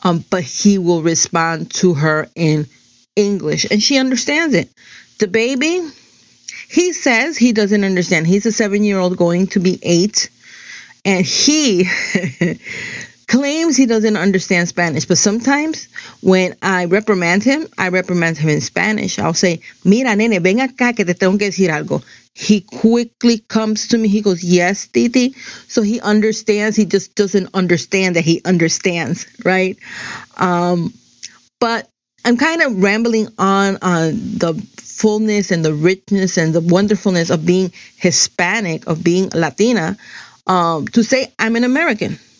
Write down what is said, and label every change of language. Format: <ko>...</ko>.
<en>But he will respond to her in English, and she understands it. The baby, he says he doesn't understand. He's a 7-year-old going to be 8, and he claims he doesn't understand Spanish. But sometimes when I reprimand him, in Spanish. I'll say,</en> <es>mira, nene, ven acá que te tengo que decir algo.</es> <en>He quickly comes to me. He goes, yes, Titi. So he understands. He just doesn't understand that he understands, right? But I'm kind of rambling on the fullness and the richness and the wonderfulness of being Hispanic, of being Latina, to say I'm an American.</en>